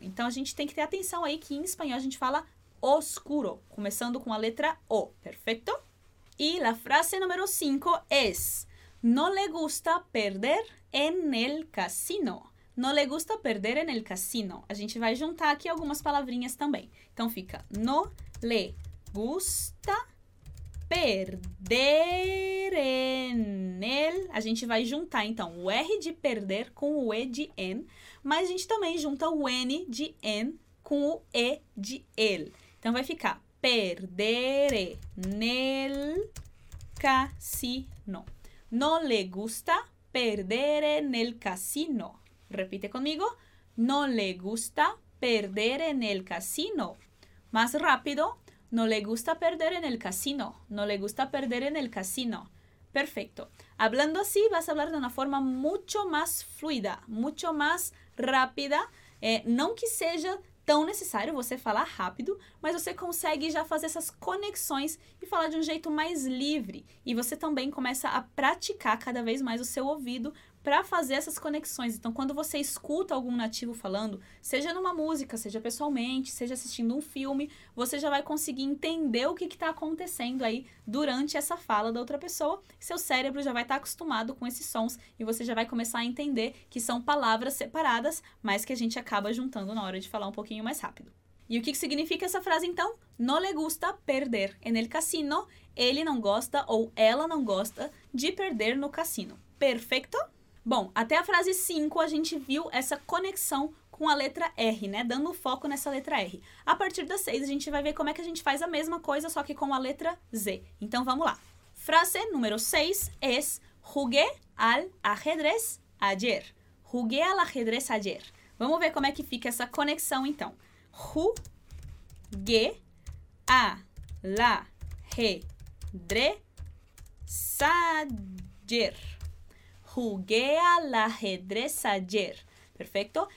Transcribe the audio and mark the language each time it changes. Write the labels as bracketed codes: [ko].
[pt] Então, a gente tem que ter atenção aí que em espanhol a gente fala oscuro, começando com a letra O. [es] Perfecto. Y la frase número 5 es, no le gusta perder en el casino. No le gusta perder en el casino. [pt] A gente vai juntar aquí algumas palavrinhas também. Então fica, [es] no le gusta perder en el... [pt] A gente vai juntar, então, o R de perder com o E de en, mas a gente também junta o N de en com o E de el. Então vai ficar... [es] Perdere nel casino. No le gusta perdere nel casino. Repite conmigo. No le gusta perdere nel casino. Más rápido. No le gusta perdere nel casino. No le gusta perdere nel casino. Perfecto. Hablando así, vas a hablar de una forma mucho más fluida, mucho más rápida. No que sea... [pt] tão necessário você falar rápido, mas você consegue já fazer essas conexões e falar de um jeito mais livre. E você também começa a praticar cada vez mais o seu ouvido para fazer essas conexões. Então, quando você escuta algum nativo falando, seja numa música, seja pessoalmente, seja assistindo um filme, você já vai conseguir entender o que está acontecendo aí durante essa fala da outra pessoa. Seu cérebro já vai estar acostumado com esses sons e você já vai começar a entender que são palavras separadas, mas que a gente acaba juntando na hora de falar um pouquinho mais rápido. E o que significa essa frase, então? [es] No le gusta perder en el casino. [pt] Ele não gosta ou ela não gosta de perder no cassino. Perfeito? Bom, até a frase 5 a gente viu essa conexão com a letra R, né? Dando foco nessa letra R. A partir das 6, a gente vai ver como é que a gente faz a mesma coisa, só que com a letra Z. Então, vamos lá. Frase número 6 é: [es] jugué al ajedrez ayer. Jugué al ajedrez ayer. [pt] Vamos ver como é que fica essa conexão, então. [es] Jugué al ajedrez ayer. Jugué al ajedrez ayer. [pt] Perfeito?